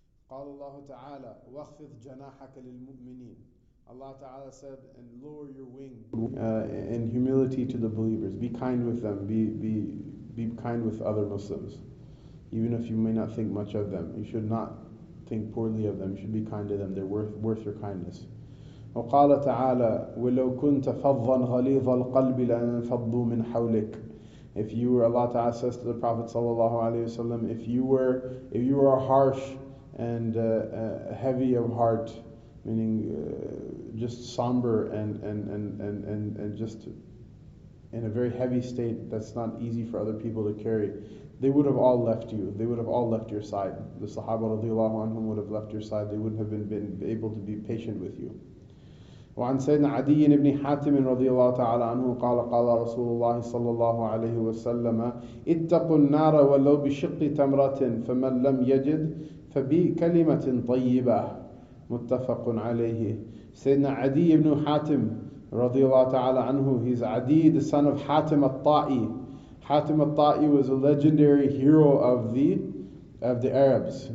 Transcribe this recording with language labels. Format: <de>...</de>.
<ar>قال الله تعالى واخفض جناحك للمؤمنين.</ar> <en>Allah Ta'ala said, and lower your wing in humility to the believers. Be kind with them. Be kind with other Muslims. Even if you may not think much of them, you should not think poorly of them. You should be kind to them. They're worth your kindness.</en> <ar>وقال تعالى ولو كنت فظا غليظ القلب لانفضوا من حولك.</ar> <en>If you were, Allah Ta'ala says to the Prophet sallallahu alaihi wasallam, if you were harsh and heavy of heart, meaning just somber and just in a very heavy state that's not easy for other people to carry, they would have all left you. They would have all left your side. The Sahaba radiyallahu anhum would have left your side. They wouldn't have been able to be patient with you.</en> <ar>وعن سيدنا عدي بن حاتم رضي الله تعالى عنه قال قال رسول الله صلى الله عليه وسلم اتقوا النار ولو بشق تمرة فمن لم يجد فبكلمة طيبة متفق عليه.</ar> <en>سيدنا عدي بن حاتم رضي الله تعالى عنه, he's Adi, the son of Hatim al-Ta'i. Hatim al-Ta'i was a legendary hero of the Arabs.</en>